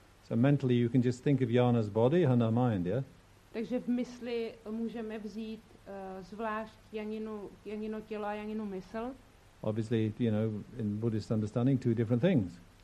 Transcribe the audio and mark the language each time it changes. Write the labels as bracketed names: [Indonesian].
[English] So mentally you can just think of Jana's body and her mind, yeah? [Czech] Takže v mysli můžeme vzít zvlášť Janino tělo a Janinu mysl. [English] Obviously, you know, in Buddhist understanding, two different things.